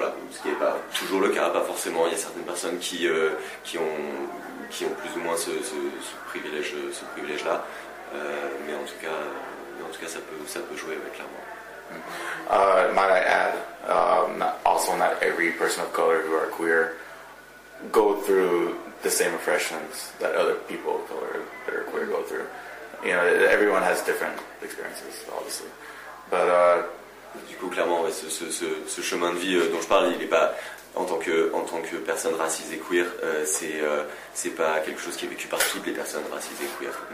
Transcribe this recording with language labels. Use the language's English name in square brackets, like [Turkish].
[French] Ce qui n'est pas toujours le cas, pas forcément. Il y a certaines personnes qui ont plus ou moins ce privilège-là. Mais en tout cas, ça peut jouer, ouais, clairement. [English] Might I add, also not every person of color who are queer go through the same oppressions that other people of color that are queer go through. You know, everyone has different experiences, obviously. But [French] du coup, clairement, ouais, ce chemin de vie dont je parle, il est pas en tant que personne racisée queer, c'est pas quelque chose qui est vécu par toutes les personnes racisées queer.